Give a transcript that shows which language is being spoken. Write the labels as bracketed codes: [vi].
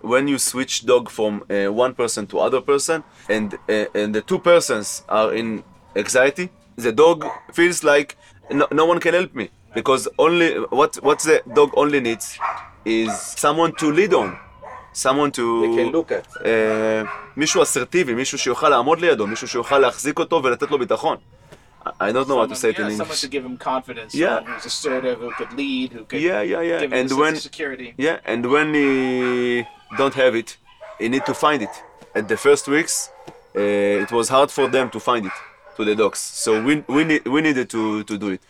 [en] When you switch dog from one person to other person, and the two persons are in anxiety, the dog feels like no one can help me because only what the dog only needs is someone to lead on. Someone to... They can look at. [he] מישהו אסרטיבי, מישהו שיוכל לעמוד לידו, מישהו שיוכל להחזיק אותו ולתת לו ביטחון. [en] I don't know what to say it in English. Someone to give him confidence. Yeah. Someone who's assertive, who could lead, who could give him and a sense of security. Yeah, and when he don't have it, he need to find it. At the first weeks, it was hard for them to find it, to the dogs. So we needed to do it.